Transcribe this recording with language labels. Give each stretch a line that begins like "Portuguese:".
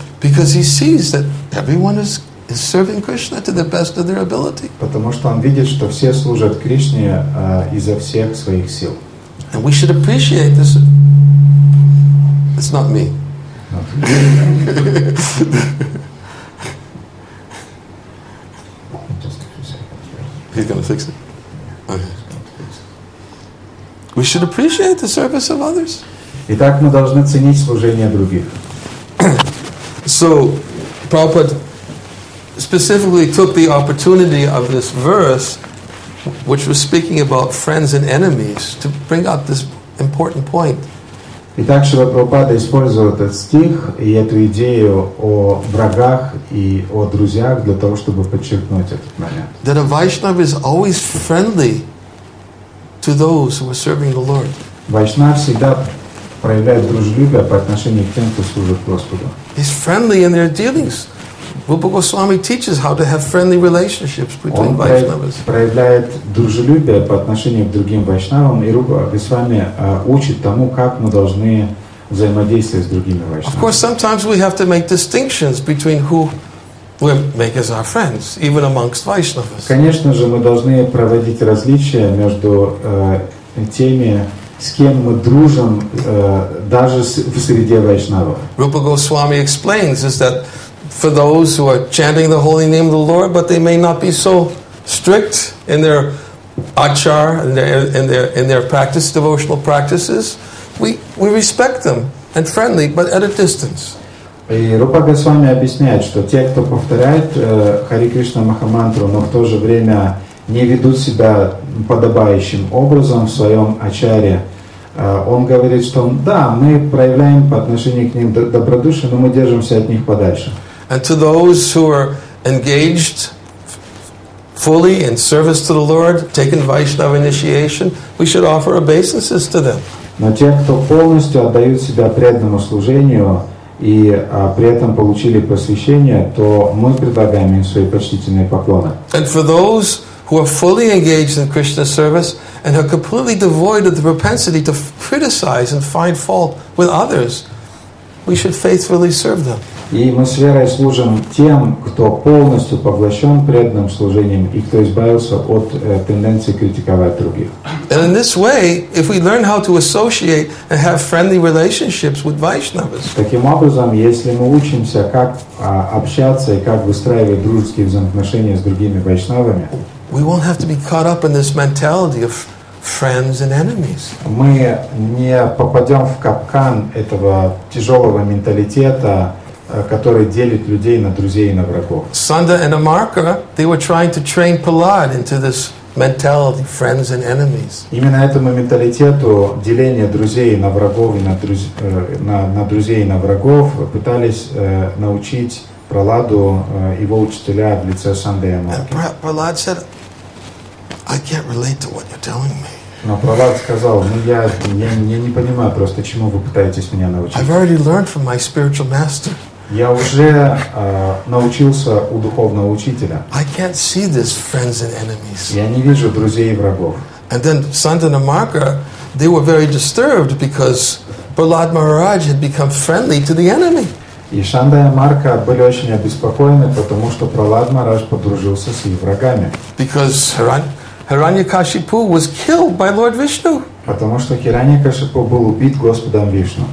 English: Because he sees that everyone is serving Krishna to the best of their ability.
Russian: Потому что он видит, что все служат Кришне изо всех своих сил.
English: And we should appreciate this. It's not me. He's going to fix it. Okay. We should appreciate the service of others.
Russian: Итак, мы должны ценить служение других.
English: So, Prabhupada specifically took the opportunity of this verse, which was speaking about friends and enemies, to bring up this important point.
Russian: Итак, Шрила Прабхупада использовал этот стих и эту идею о врагах и о друзьях для того, чтобы подчеркнуть этот момент.
English: That a Vaishnava is always friendly to those who are serving the Lord.
Russian: Вайшнав всегда проявляет дружелюбие по отношению к тем, кто служит Господу.
English: He's friendly in their dealings Rupa Goswami teaches how to have friendly relationships between Vaishnavas.
Russian: Он проявляет дружелюбие по отношению к другим Вайшнавам, и Рупа Госвами учит тому, как мы должны взаимодействовать с другими Вайшнавами.
English: Of course, sometimes we have to make distinctions between who we make as our friends, even amongst Vaishnavas.
Russian: Конечно же, мы должны проводить различия между теми, с кем мы дружим, даже в среде Вайшнавов.
English: Rupa Goswami explains is that for those who are chanting the holy name of the Lord, but they may not be so strict in their achar, in their practice, devotional practices, we respect them and friendly, but at a distance.
Russian: И Рупа Госвами объясняет, что те, кто повторяет Хари Кришна Махамантру, но в то же время не ведут себя подобающим образом в своем ачаре, он говорит, что да, мы проявляем по отношению к ним добродушие, но мы держимся от них подальше.
English: And to those who are engaged fully in service to the Lord, taking Vaishnava initiation, we should offer obeisances to them.
Russian: Но те, кто полностью отдают себя преданному служению и при этом получили посвящение, то мы предлагаем им свои почтительные поклоны.
English: And for those who are fully engaged in Krishna service and are completely devoid of the propensity to criticize and find fault with others, we should faithfully serve them.
Russian: И мы с верой служим тем, кто полностью поглощен преданным служением и кто избавился от тенденции критиковать других.
English: And in this way, if we learn how to associate and have friendly relationships with Vaishnavas,
Russian: таким образом, если мы учимся, как общаться и как выстраивать дружеские взаимоотношения с другими вайшнавами,
English: we won't have to be caught up in this mentality of friends and enemies.
Russian: Мы не попадем в капкан этого тяжелого менталитета, который делит людей на друзей и на врагов.
English: Sunda and Amarka, they were trying to train Prahlad into this mentality, friends and enemies.
Russian: Именно этому менталитету деления друзей на врагов и на друзей и на врагов пытались научить Прохладу его учителя в лице Санды и Амарки.
English: And Prahlad said, I can't relate to what you're telling me.
Russian: Но Прохлад сказал, ну я не понимаю просто, чему вы пытаетесь меня научить.
English: I've already learned from my spiritual master.
Russian: Я уже научился у духовного учителя.
English: I can't see this friends and enemies.
Russian: Я не вижу друзей и врагов.
English: And then Sanda and Amarka, they were very disturbed because Prahlad Maharaj had become friendly to the enemy.
Russian: И Санда и Амарка были очень обеспокоены, потому что Прохлад Махарадж подружился с их врагами.
English: Because Hiranyakashipu was killed by Lord Vishnu.
Russian: Потому что Хираньякашипу был убит Господом Вишну.